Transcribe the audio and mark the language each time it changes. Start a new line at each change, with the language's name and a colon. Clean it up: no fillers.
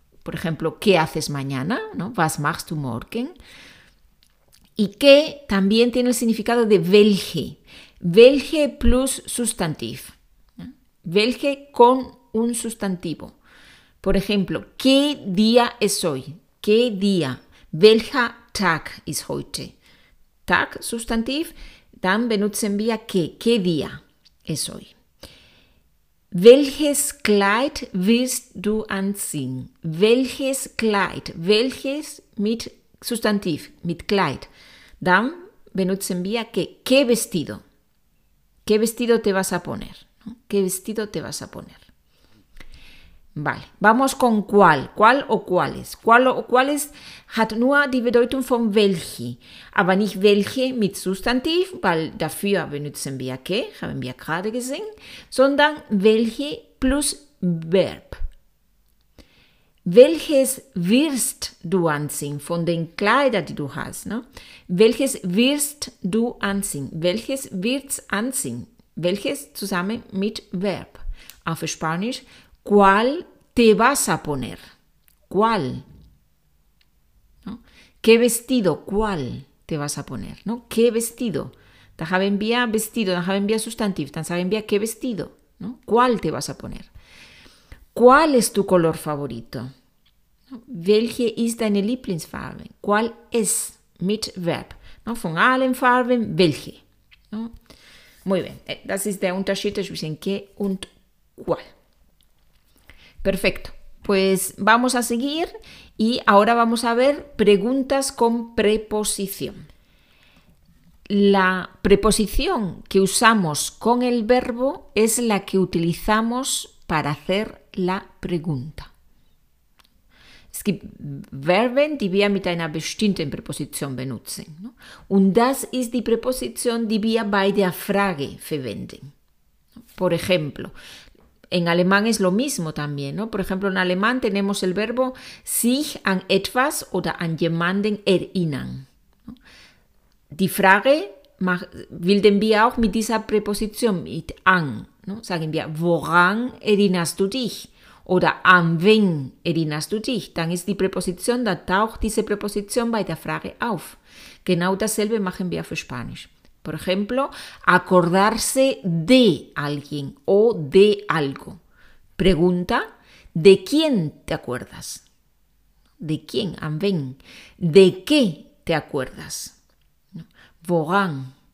Spanish: Por ejemplo, ¿qué haces mañana? ¿No?
German: ¿Was machst du morgen?
Spanish: Y qué también tiene el significado de welche. Welche plus sustantiv. Welche con un sustantivo. Por ejemplo, ¿qué día es hoy? ¿Qué día?
German: Welcher Tag ist heute? Tag, sustantiv, dann benutzen wir qué.
Spanish: ¿Qué día es hoy?
German: Welches Kleid willst du anziehen? Welches Kleid? Welches mit sustantiv, mit Kleid. Dann benutzen wir qué.
Spanish: ¿Qué vestido? ¿Qué vestido te vas a poner? ¿Qué vestido te vas a poner? Vale, vamos con cuál. ¿Cuál o cuáles? ¿Cuál o cuáles
German: hat nur die Bedeutung von welche? Aber nicht welche mit Sustantiv, weil dafür benutzen wir que, haben wir gerade gesehen, sondern welche plus Verb. Welches wirst du anziehen von den Kleidern, die du hast? No? Welches wirst du anziehen? Welches wird's anziehen? Welches zusammen mit Verb? Auf Spanisch.
Spanish: ¿Cuál te vas a poner? ¿Cuál? ¿No? ¿Qué vestido? ¿Cuál te vas a poner? ¿No? ¿Qué vestido?
German: Da haben wir vestido, da haben wir sustantivo, da haben wir qué vestido, ¿no?
Spanish: ¿Cuál te vas a poner? ¿Cuál es tu color favorito? ¿No?
German: Welche ist deine Lieblingsfarbe?
Spanish: ¿Cuál es?
German: Mit Verb. ¿No? Von allen Farben, welche. ¿No?
Spanish: Muy bien,
German: das ist der Unterschied zwischen qué und cuál. Perfecto.
Spanish: Pues vamos a seguir y ahora vamos a ver preguntas con preposición. La preposición que usamos con el verbo es la que utilizamos para hacer la pregunta.
German: Es gibt Verben, die wir mit einer bestimmten Präposition benutzen. No? Und das ist die Präposition, die wir bei der Frage verwenden.
Spanish: Por ejemplo, en alemán es lo mismo también. No? Por ejemplo, en alemán tenemos el verbo
German: sich an etwas oder an jemanden erinnern.
Spanish: No?
German: Die Frage bilden wir auch mit dieser Präposition, mit an. No? Sagen wir, woran erinnerst du dich? Oder an wen erinnerst du dich? Dann ist die Präposition, da taucht diese Präposition bei der Frage auf. Genau dasselbe machen wir für Spanisch.
Spanish: Por ejemplo, acordarse de alguien o de algo. Pregunta, ¿de quién te acuerdas? ¿De quién?
German: ¿An wen?
Spanish: ¿De qué te acuerdas?
German: ¿Woran?